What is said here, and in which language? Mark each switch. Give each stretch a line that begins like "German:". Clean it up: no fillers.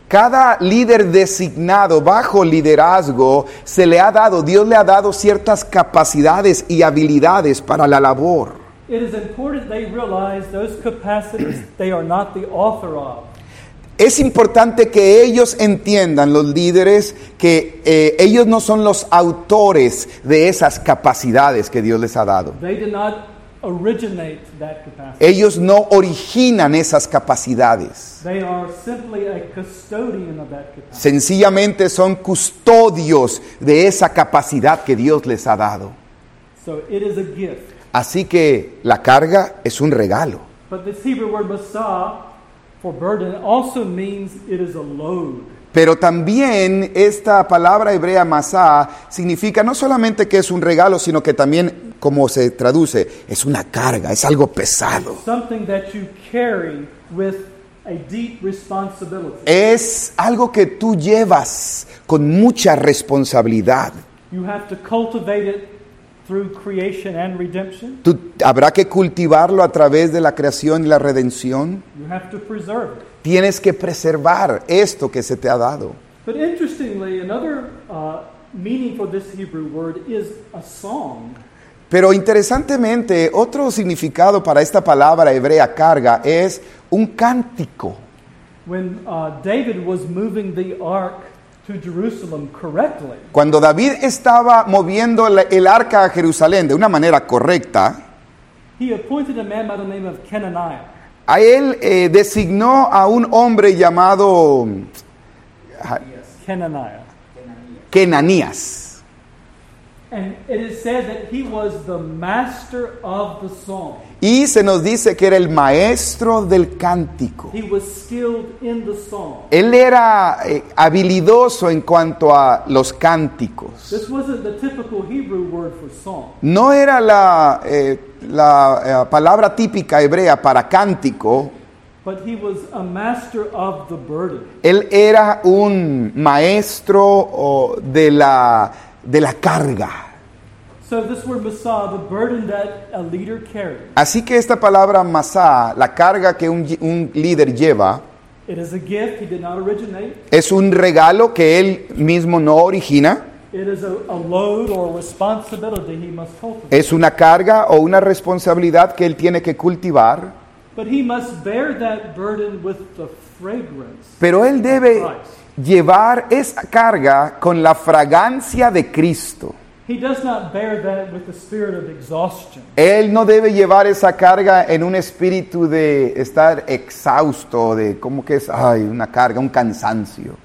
Spanish: Cada líder designado bajo liderazgo se le ha dado, Dios le ha dado ciertas capacidades y habilidades para la labor.
English: It is important they realize those capacities they are not the author of.
Spanish: Es importante que ellos entiendan, los líderes, que ellos no son los autores de esas capacidades que Dios les ha dado.
English: They did not originate that capacity.
Spanish: Ellos no originan esas capacidades.
English: They are simply a custodian of that capacity.
Spanish: Sencillamente son custodios de esa capacidad que Dios les ha dado.
English: So it is a gift.
Spanish: Así que la carga es un regalo.
English: But this Hebrew word masah for burden also means it is a load.
Spanish: Pero también esta palabra hebrea masah significa no solamente que es un regalo, sino que también, como se traduce, es una carga, es algo pesado.
English: Something that you carry with a deep responsibility.
Spanish: Es algo que tú llevas con mucha responsabilidad.
English: You have to cultivate it through creation and redemption.
Spanish: Tú, habrá que cultivarlo a través de la creación y la redención.
English: You have to preserve it.
Spanish: Tienes que preservar esto que se te ha dado.
English: But interestingly, another meaning for this Hebrew word is a song.
Spanish: Pero interesantemente, otro significado para esta palabra hebrea carga es un cántico.
English: When David was moving the ark to Jerusalem correctly.
Spanish: Cuando David estaba moviendo el arca a Jerusalén de una manera correcta,
English: he appointed a man by the name of Kenaniah.
Spanish: A él designó a un hombre llamado
English: Kenaniah.
Spanish: Kenanías.
English: And it is said that he was the master of the song.
Spanish: Y se nos dice que era el maestro del cántico.
English: He was skilled in the song.
Spanish: Él era habilidoso en cuanto a los cánticos.
English: This wasn't the typical Hebrew word for song.
Spanish: No era la palabra típica hebrea para cántico.
English: But he was a master of the burden.
Spanish: Él era un maestro de la carga.
English: So this word masah, the burden that a leader carries.
Spanish: Así que esta palabra masah, la carga que un líder lleva,
English: it is a gift he did not originate.
Spanish: Es un regalo que él mismo no origina.
English: It is a load or a responsibility he must cultivate.
Spanish: Es una carga o una responsabilidad que él tiene que cultivar.
English: But he must bear that burden with the fragrance.
Spanish: Pero él debe llevar esa carga con la fragancia de Cristo.
English: He does not bear that with the spirit of exhaustion.
Spanish: Él no debe llevar esa carga en un espíritu de estar exhausto, de cómo que es, ay, una carga, un cansancio.